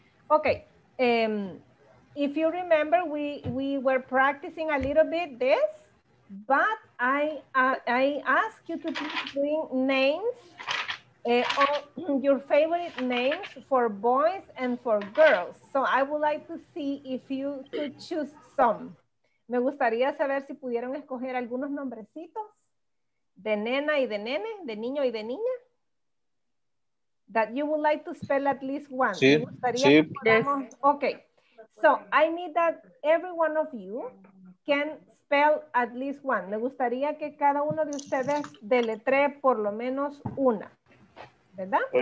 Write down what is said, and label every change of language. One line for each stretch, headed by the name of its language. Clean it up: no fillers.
English: Okay, if you remember, we were practicing a little bit this, but I ask you to bring names, your favorite names for boys and for girls. So I would like to see if you could choose some.
Spanish: Me gustaría saber si pudieron escoger algunos nombrecitos de nena y de nene, de niño y de niña.
English: That you would like to spell at least one.
Spanish: Sí, sí.
English: Yes. Okay, so I need that every one of you can spell at least one.
Spanish: Me gustaría que cada uno de ustedes deletre por lo menos una, ¿verdad?